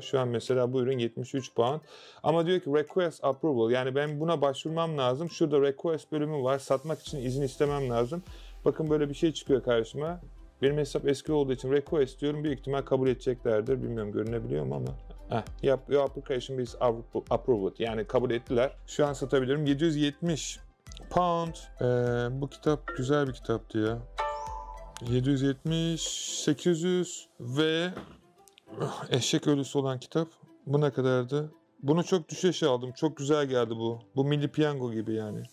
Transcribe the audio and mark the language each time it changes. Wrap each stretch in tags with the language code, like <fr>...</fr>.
<tr>Şu an mesela bu ürün 73 pound. Ama diyor ki request approval. Yani ben buna başvurmam lazım. Şurada request bölümü var. Satmak için izin istemem lazım. Bakın böyle bir şey çıkıyor karşıma. Benim hesap eski olduğu için request diyorum. Büyük ihtimal kabul edeceklerdir. Bilmiyorum görünebiliyor mu ama.</tr> <en>Your application is approved.</en> <tr>Yani kabul ettiler. Şu an satabilirim. 770 pound. Bu kitap güzel bir kitaptı ya. 770, 800 ve eşek ölüsü olan kitap. Bu ne kadardı? Bunu çok düşeşe aldım. Çok güzel geldi bu. Bu milli piyango gibi yani.</tr>